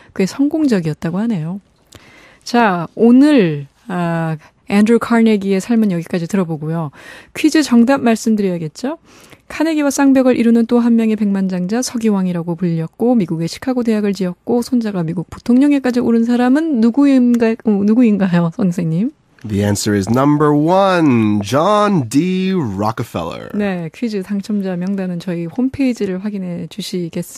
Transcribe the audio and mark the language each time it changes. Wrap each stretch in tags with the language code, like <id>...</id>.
<ko>꽤 성공적이었다고 하네요. 자, 오늘 앤드루 카네기의 삶은 여기까지 들어보고요. 퀴즈 정답 말씀드려야겠죠? 카네기와 쌍벽을 이루는 또 한 명의 백만장자 석유왕이라고 불렸고 미국의 시카고 대학을 지었고 손자가 미국 부통령에까지 오른 사람은 누구인가요, 선생님?</ko> <en>The answer is number one, John D. Rockefeller.</en> <ko>네, 퀴즈 당첨자 명단은 저희 홈페이지를 확인해 주세요.</ko>